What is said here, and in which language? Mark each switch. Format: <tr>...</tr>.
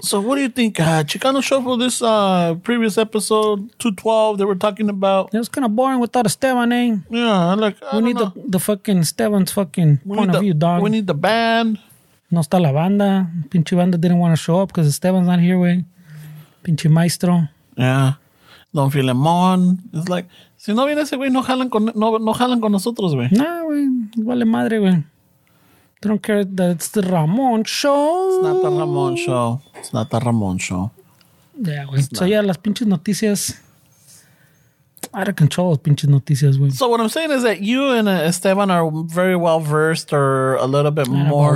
<en>So what do you think, Chicano Shuffle, this previous episode 212 they were talking about? It was kind of boring without Esteban, eh? Yeah, like I don't know. The fucking Esteban's fucking point of view, dog. We need the band.</en> <es>No está la banda. Pinche banda</es> <en>didn't want to show up because Esteban's not here, wey.</en> <es>Pinche maestro.</es> <en>Yeah. Don Filemón. It's like.</en> <es>Si no viene ese güey, no jalan con nosotros, güey. Nah, güey. Vale madre, güey.</es> <en>They don't care that it's the Ramón Show. It's not the Ramón Show. It's not the Ramón Show. Yeah, güey. So, yeah,</en> <es>las pinches noticias.</es> <en>Out of control, las pinches noticias, güey. So, what I'm saying is that you and Esteban are very well-versed or a little bit more.</en>